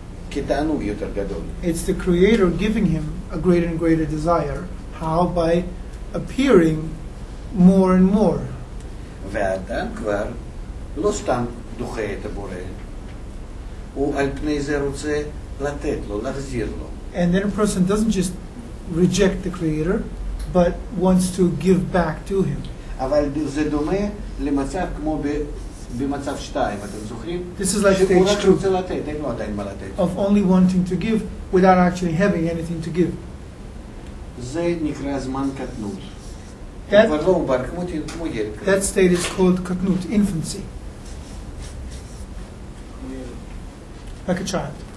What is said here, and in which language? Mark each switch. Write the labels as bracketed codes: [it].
[en] It's the Creator giving him a greater and greater desire. How? By appearing more and more. [he] והאדם כבר לא סתם דוחה את הבורא, הוא על פני זה רוצה לתת לו, להחזיר לו. [en] And then a person doesn't just reject the Creator, but wants to give back to him. [he] אבל זה דומה למצב כמו במצב שתיים, אתם זוכרים? [en] This is like stage two. [he] שהוא רק רוצה לתת, אין לו עדיין מה לתת. [en] Of only wanting to give without actually having anything to give. [he] זה נקרא זמן קטנות. [en] That state is called katnut, infancy. Like a child.